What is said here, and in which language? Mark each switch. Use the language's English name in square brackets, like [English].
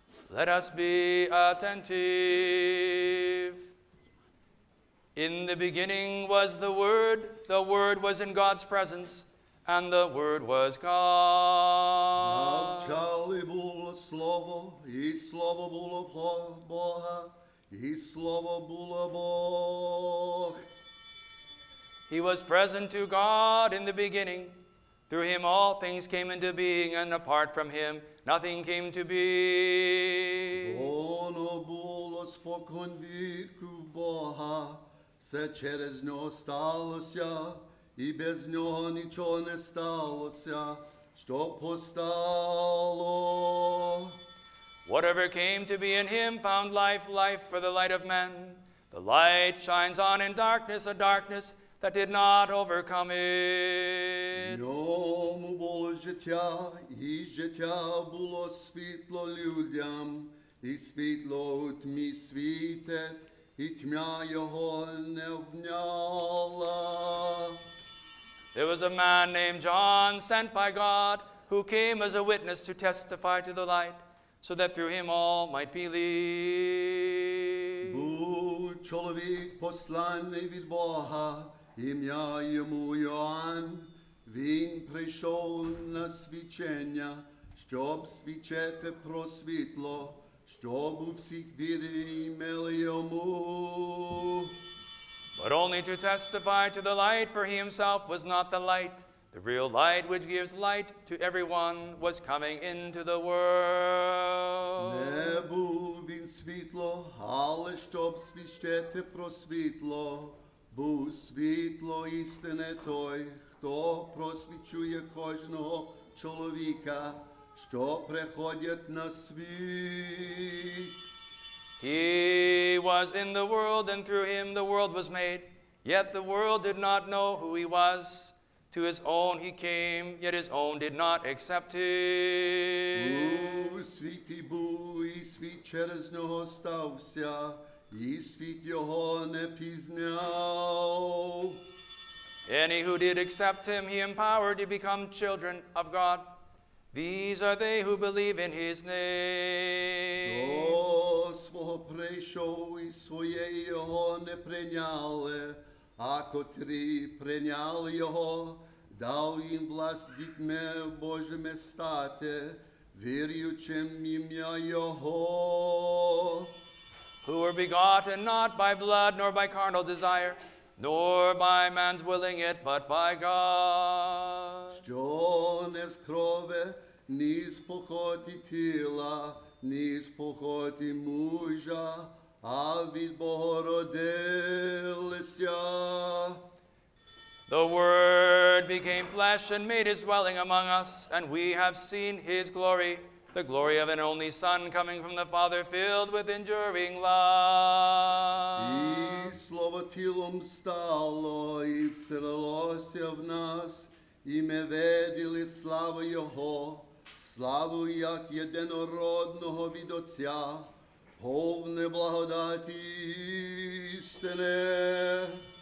[English] Let us be attentive. In the beginning was the Word was in God's presence, and the Word was God. [Ukrainian] Начале було слово, і слово було Бога, і слово було Бог. [English] He was present to God in the beginning. Through him all things came into being, and apart from him nothing came to be. [Ukrainian] Воно було спокон віку в Бога, все через нього сталося, і без нього нічого не сталося, що постало. [English] Whatever came to be in him found life, life for the light of men. The light shines on in darkness, a darkness that did not overcome it. [Ukrainian] Йому було життя, і життя було світло людям, і світло у тьмі світить, і тьмя його не обняла. [English] There was a man named John, sent by God, who came as a witness to testify to the light, so that through him all might believe. [Ukrainian] Був чоловік посланий від Бога, ім'я йому Йоанн. Він прийшов на свідчення, щоб свідчити про світло, щоб у всіх віри імели йому. [English] But only to testify to the light, for he himself was not the light. The real light, which gives light to everyone, was coming into the world. [Ukrainian] Не був він світло, але щоб свідчити про світло, був світло істини той, хто просвічує кожного чоловіка, що приходять на світ. [English] He was in the world, and through him the world was made. Yet the world did not know who he was. To his own he came, yet his own did not accept him. [Ukrainian] У світі був, і світ через нього стався, і світ його не пізнав. [English] Any who did accept him, he empowered to become children of God. These are they who believe in his name. [Ukrainian] До свого прийшов і своє його не прийняли, а котрі прийняли його, дав їм власть дітьми Божими стати, віруючим ім'я його. [English] Who were begotten not by blood, nor by carnal desire, nor by man's willing it, but by God. [Ukrainian] Що не з крови, ні з похоті тіла, ні з похоті мужа, а від Бога родилися. [English] The Word became flesh and made his dwelling among us, and we have seen his glory, the glory of an only Son coming from the Father, filled with enduring love. [Ukrainian] І слово тілом стало, і вселилося в нас, і ми видели славу його, славу як єдинородного від Отця, повне благодаті істини.